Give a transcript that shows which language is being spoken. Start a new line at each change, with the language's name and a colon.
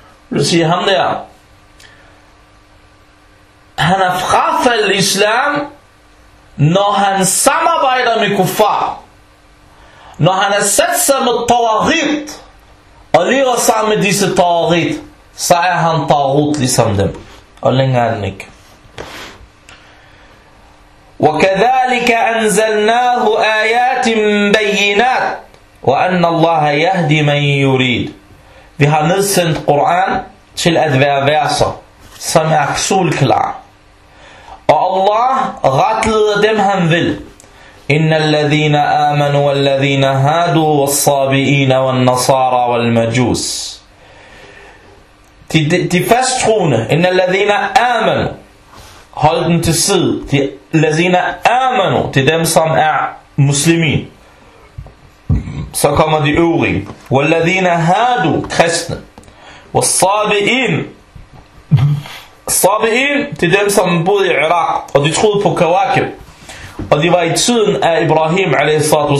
Danish: Vil du sige, ham der, han er frafald islam, når han samarbejder med kuffar, når han er sat sig med tawagit, og lever sammen med disse tawagit, så er han tawagut ligesom dem. Og længere end ikke.
Arabic: وكذلك أنزلناه آيات بينات وأن الله يهدي من يريد.
Danish: Vi har nedsendt Koran til at være verser, som er solklar. Og Allah retleder dem han vil.
Arabic: إن الذين آمنوا والذين هادوا والصابئين والنصارى والمجوس.
Danish: De fasttroende,
Arabic: إن الذين آمنوا,
Danish: hold den til side, de
Arabic: lazina amanu,
Danish: til dem som er muslimin. Så kommer de øvrige.
Arabic: Wallazina hadu,
Danish: kristne. Wassabi'in, sabi'in, til dem som boede i Irak, og de troede på kawakib, og de var i tiden af Ibrahim a.s.